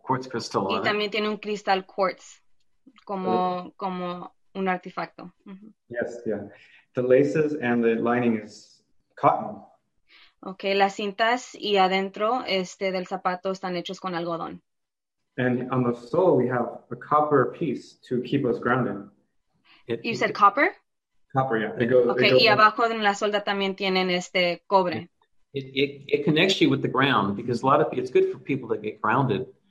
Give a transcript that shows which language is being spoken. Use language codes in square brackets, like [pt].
[en] Quartz crystal [es] Y [en] on it. [es] también tiene un cristal quartz como un artefacto. [en] Yes, yeah. The laces and the lining is cotton. [es] Okay, las cintas y adentro del zapato están hechos con algodón. [en] And on the sole, we have a copper piece to keep us grounded. You said copper? Copper, yeah. [es] Okay, y abajo en la suelda también tienen cobre. [en] It connects you with the ground because a lot of it's good for people to get grounded.